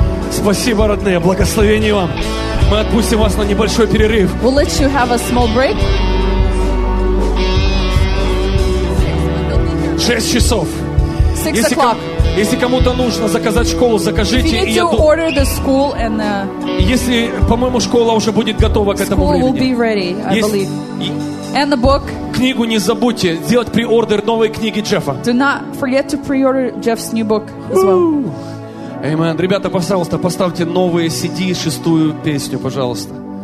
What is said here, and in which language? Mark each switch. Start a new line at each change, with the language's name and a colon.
Russian: Спасибо, родные. Благословение вам. Мы отпустим вас на небольшой перерыв.
English: We'll let you have a small break.
Russian: 6 часов.
English: 6
Russian: если,
English: o'clock.
Russian: Если кому-то нужно заказать школу, закажите.
English: If you need to order the school and the...
Russian: Если, по-моему, школа уже будет готова к этому времени.
English: School will be ready, I believe. And the book.
Russian: Книгу не забудьте сделать преордер новой книги Джеффа.
English: Do not forget to pre-order Jeff's new book as well. Amen.
Russian: Ребята, пожалуйста, поставьте новые CD, шестую песню, пожалуйста.